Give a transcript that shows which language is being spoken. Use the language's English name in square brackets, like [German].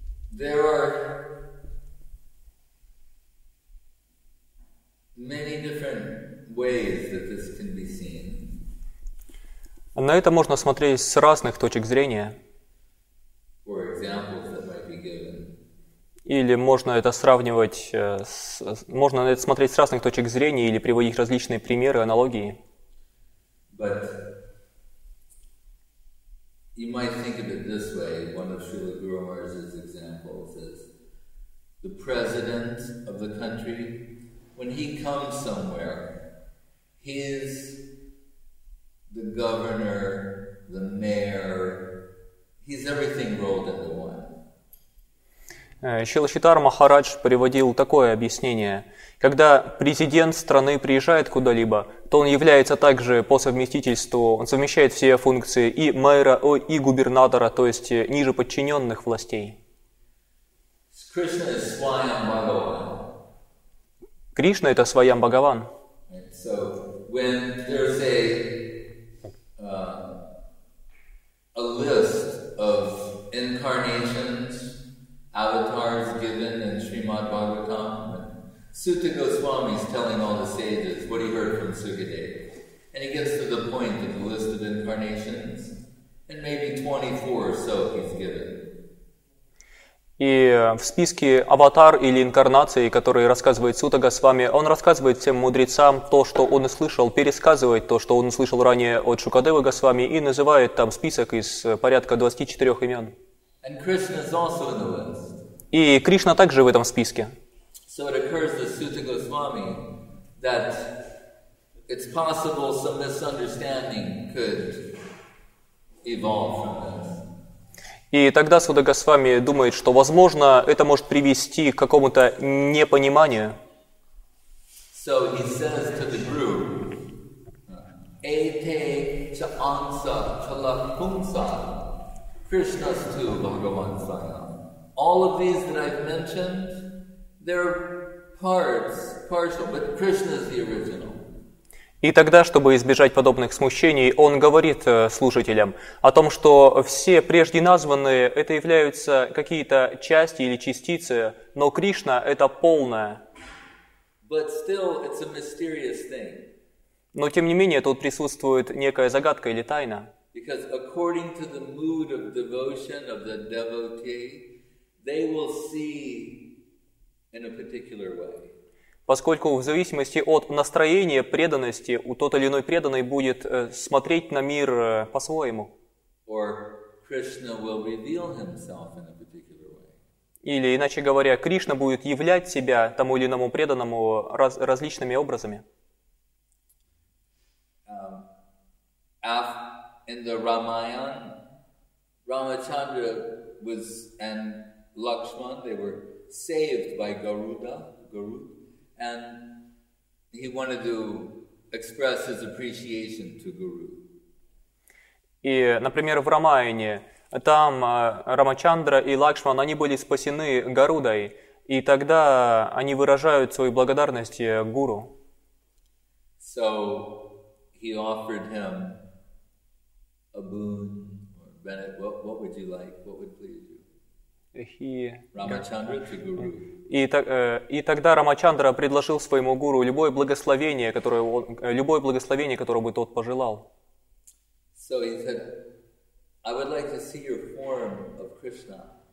[English] There are many different ways that this can be seen. [Russian] На это можно смотреть с разных точек зрения. [English] For examples that might be given. [Russian] Или можно это сравнивать с, можно это смотреть с разных точек зрения или приводить различные примеры, аналогии. [English] But you might think of it this way, one of Srila Guru Maharaj's examples is the president of the country, when he comes somewhere, he is the governor, the mayor, he's everything rolled into one. [Russian] Шрила Читар Махарадж приводил такое объяснение. Когда президент страны приезжает куда-либо, то он является также по совместительству, он совмещает все функции и мэра, и губернатора, то есть ниже подчиненных властей. Кришна – это Свайам Бхагаван. [English] So, when there's a list of incarnations, avatars given in Srimad Bhagavatam, Sutta Goswami is telling all the sages what he heard from Sukadeva. And he gets to the point of the list of incarnations, and maybe 24 or so he's given. [Russian] И в списке аватар или инкарнации, которые рассказывает Сутта Госвами, он рассказывает всем мудрецам то, что он услышал, пересказывает то, что он услышал ранее от Шукадевы Госвами, и называет там список из порядка 24 имен. [English] And Krishna is also in the list. [Russian] И Кришна также в этом списке. [English] So it occurs to Sutta Goswami that it's possible some misunderstanding could evolve from this. [Russian] И тогда Сутта Госвами думает, что, возможно, это может привести к какому-то непониманию. [English] So he says to the group, [Sanskrit] Ete cha ansa cha lakpunsa Krishna's tu Bhagavan Svaya. [English] All of these that I've mentioned, they're parts, partial, but Krishna is the original. [Russian] И тогда, чтобы избежать подобных смущений, он говорит слушателям о том, что все прежде названные – это являются какие-то части или частицы, но Кришна – это полное. [English] But still, it's a mysterious thing. [Russian] Но тем не менее, тут присутствует некая загадка или тайна. [English] Because according to the mood of devotion of the devotee, they will see in a particular way. [Russian] Поскольку в зависимости от настроения преданности у тот или иной преданный будет смотреть на мир по-своему. Или, иначе говоря, Кришна будет являть себя тому или иному преданному различными образами. [English] In the Ramayana, Ramachandra was and Lakshman, they were saved by Garuda, Garuda. And he wanted to express his appreciation to Guru. [Russian] И, например, в Рамаяне, там Рамачандра и Лакшман, они были спасены Гарудой, и тогда они выражают свою благодарность Гуру. [English] So he offered him a boon or benefit. What would you like? What would please you? Рамачандра to Guru. [Russian] И тогда Рамачандра предложил своему гуру любое благословение, которое бы тот пожелал. [English] So he said, I would like to see your form of Krishna.